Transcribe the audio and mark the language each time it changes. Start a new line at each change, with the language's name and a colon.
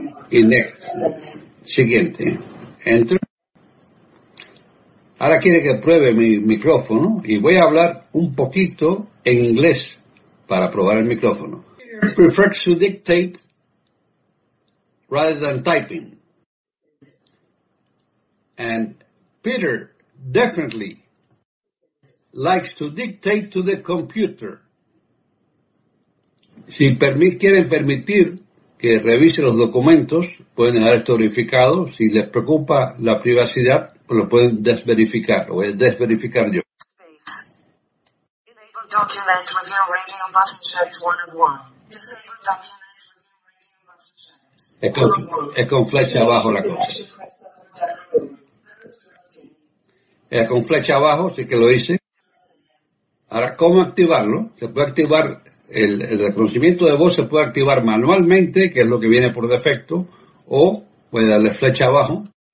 Spanish: Y next. Siguiente. Enter. Ahora quiere que pruebe mi micrófono y voy a hablar un poquito en inglés para probar el micrófono.
English: Prefer to dictate rather than typing. And Peter definitely likes to dictate to the computer.
Spanish: Si quieren permitir que revise los documentos, pueden dejar esto verificado. Si les preocupa la privacidad, pues lo pueden desverificar. Lo voy a desverificar yo.
English: Enable document review radio button checked one of one. Disable document review radio button checked.
Spanish: Es con flecha abajo la cosa. Es con flecha abajo, así que lo hice. Ahora, ¿cómo activarlo? Se puede activar... El reconocimiento de voz se puede activar manualmente, que es lo que viene por defecto, o puede darle flecha abajo.